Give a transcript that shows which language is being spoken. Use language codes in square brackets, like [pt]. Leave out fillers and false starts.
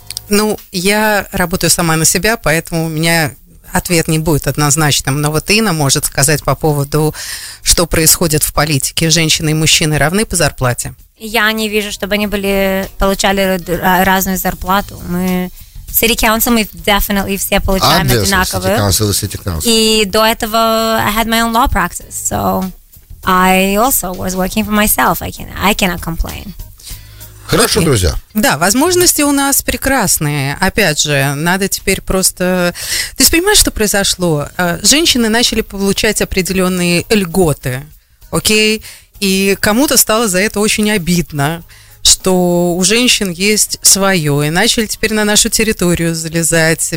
[ru] Ну, я работаю сама на себя, поэтому у меня ответ не будет однозначным, но вот Инна может сказать по поводу, что происходит в политике. Женщины и мужчины равны по зарплате? Я не вижу, чтобы они получали разную зарплату. Мы в City Council, мы [en] definitely [ru] все получаем одинаковую. City Council. И до этого [en] I had my own law practice, so I also was working for myself. I cannot complain. [ru] Хорошо, okay. Друзья. Да, возможности у нас прекрасные. Опять же, надо теперь просто... Ты же понимаешь, что произошло? Женщины начали получать определенные льготы, окей? И кому-то стало за это очень обидно, что у женщин есть свое, и начали теперь на нашу территорию залезать.